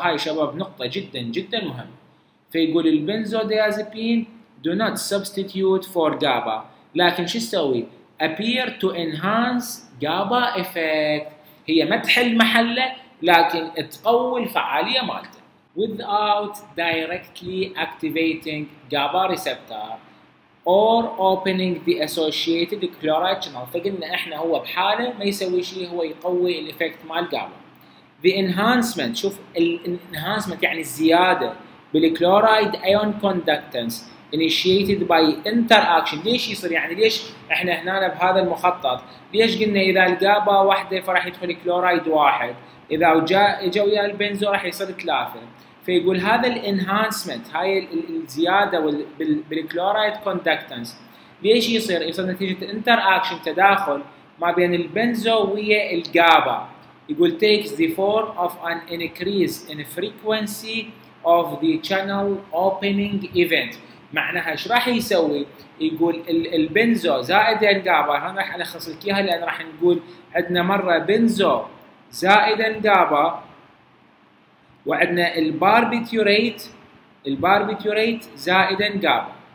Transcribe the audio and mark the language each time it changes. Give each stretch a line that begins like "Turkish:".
Arabic: هاي شباب نقطة جدا جدا مهمة، فيقول البنزو ديازبين
English: do not substitute for
Arabic: جابا، لكن شو تسوي؟
English: appear to enhance
Arabic: جابا effect، هي ما تحل محله لكن تقوي الفعالية مالته
English: without directly activating GABA receptor or opening the associated chloride channel.
Arabic: فقلنا احنا هو بحاله ما يسوي شيء، هو يقوي الافكت مال GABA.
English: The enhancement،
Arabic: شوف ال
English: enhancement
Arabic: يعني الزيادة
English: بالchloride ion conductance initiated by interaction.
Arabic: ليش يصير؟ يعني ليش احنا هنا بهذا المخطط؟ ليش قلنا اذا الجابا واحدة فراح يدخل كلورايد واحد، اذا جاء ويا البنزو راح يصير ثلاثة، فيقول هذا الانهانسمنت، هاي الزياده بالكلورايد كوندكتنس ليش يصير؟ يصير نتيجه انتر اكشن، تداخل ما بين البنزو ويا الجابا. يقول
English: takes the form of an increase in frequency of the channel opening event.
Arabic: معناها ايش راح يسوي؟ يقول البنزو زائد الجابا، هنا راح نلخص لك اياها لان راح نقول عندنا مره بنزو زائد الجابا وعندنا الباربيتوريت، الباربيتوريت زائد الجابا.